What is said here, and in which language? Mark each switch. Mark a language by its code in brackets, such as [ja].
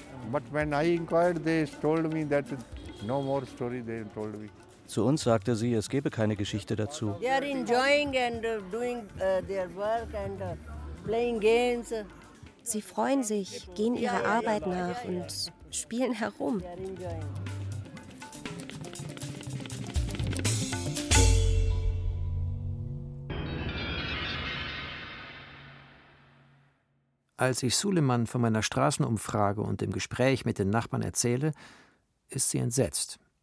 [en] But when I inquired, they told me that no more story they told me. [de] Zu uns sagte sie, es gebe keine Geschichte dazu. [en] They are enjoying and doing their work and playing games. [de] Sie freuen sich, gehen ihrer Arbeit nach und spielen herum. Als ich Suleiman von meiner Straßenumfrage und dem Gespräch mit den Nachbarn erzähle, ist sie entsetzt.